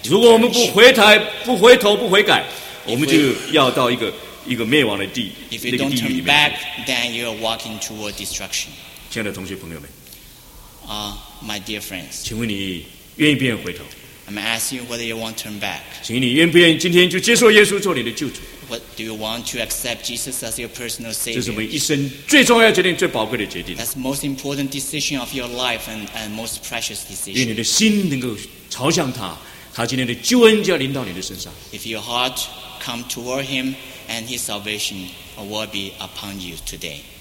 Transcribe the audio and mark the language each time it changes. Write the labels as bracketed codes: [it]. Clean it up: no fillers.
[zh] 如果我们不回台、不回头、不悔改，我们就要到一个灭亡的地。 [en] If you don't turn back, then you are walking toward destruction. [zh] 亲爱的同学朋友们 [en] my dear friends, [zh] 请问你愿意不愿意回头？ [en] I'm asking you whether you want to turn back. [zh] 请你愿不愿意今天就接受耶稣做你的救主 [en] ？What do you want to accept Jesus as your personal savior? [zh] 这是我们一生最重要决定、最宝贵的决定。 [en] That's the most important decision of your life and most precious decision. [zh] 愿你的心能够朝向他，他今天的救恩就要临到你的身上。 [en] If your heart come toward him and his salvation will be upon you today.